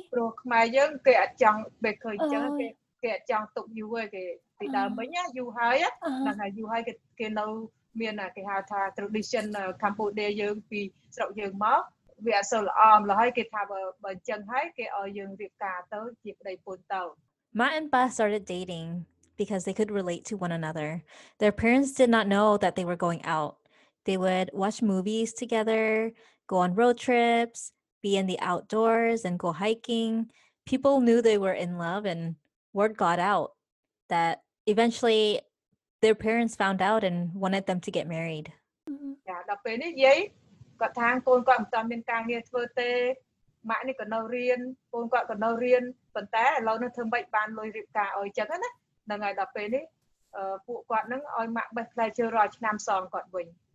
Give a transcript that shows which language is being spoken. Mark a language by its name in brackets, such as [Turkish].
[Khmer] ព្រោះខ្មែរយើងគេអត់ចង់បែកឃើញចឹងគេអត់ចង់ទុកយូរឯងគេពីដើមវិញណាយូរហើយណាថាយូរហើយគេនៅមានគេហៅថា tradition កម្ពុជាយើងពីស្រុកយើងមកវាអត់សូវល្អមឡើយគេថាបើអញ្ចឹងហើយគេឲ្យយើងរៀបការទៅជាប្តីពន្ធទៅ [English] Matt and Beth started dating because they could relate to one another. Their parents did not know that they were going out. They would watch movies together, go on road trips,be in the outdoors and go hiking. People knew they were in love and word got out that eventually their parents found out and wanted them to get married. [Khmer] Yeah, ដល់ពេលនេះយាយគាត់ថាកូនគាត់មិនតាន់មានការងារធ្វើទេម៉ាក់នេះក៏នៅរៀនកូនគាត់ក៏នៅរៀនប៉ុន្តែឥឡូវនេះធ្វើម៉េចបានលុយរៀបការឲ្យចឹងណាហ្នឹងហើយដល់ពេលនេះពួកគាត់នឹងឲ្យម៉ាក់បេះផ្លែឈើរាល់ឆ្នាំសងគាត់វិញ